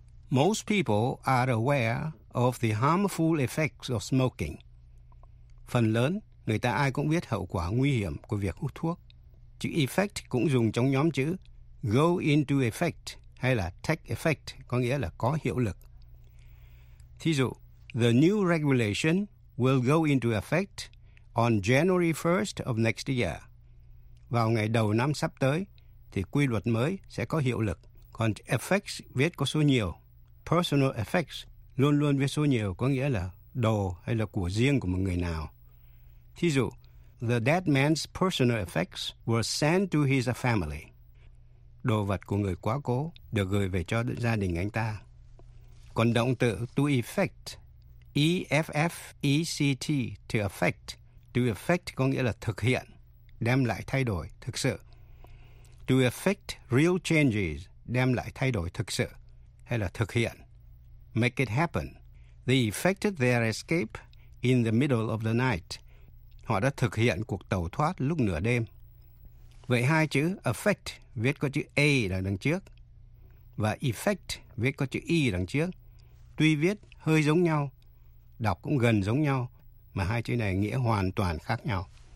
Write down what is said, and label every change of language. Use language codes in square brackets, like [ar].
[en] Most people are aware of the harmful effects of smoking. [vi] Phần lớn, người ta ai cũng biết hậu quả nguy hiểm của việc hút thuốc. Chữ effect cũng dùng trong nhóm chữ [en] go into effect [vi] hay là [en] take effect, [vi] có nghĩa là có hiệu lực. Thí dụ, [en] the new regulation will go into effect on January 1st of next year. [vi] Vào ngày đầu năm sắp tới, thì quy luật mới sẽ có hiệu lực. Còn effects viết có số nhiều. Personal effects luôn luôn viết số nhiều, có nghĩa là đồ hay là của riêng của một người nào. Thí dụ, [en] the dead man's personal effects were sent to his family. [vi] Đồ vật của người quá cố được gửi về cho gia đình anh ta. Còn động từ to effect, E-F-F-E-C-T, to effect. To effect có nghĩa là thực hiện, đem lại thay đổi thực sự. [en] To effect real changes, [vi] đem lại thay đổi thực sự, hay là thực hiện. [en] Make it happen. They effected their escape in the middle of the night. [vi] Họ đã thực hiện cuộc tẩu thoát lúc nửa đêm. Vậy hai chữ effect viết có chữ A là đằng trước, và effect viết có chữ E đằng trước. Tuy viết hơi giống nhau, đọc cũng gần giống nhau, mà hai chữ này nghĩa hoàn toàn khác nhau.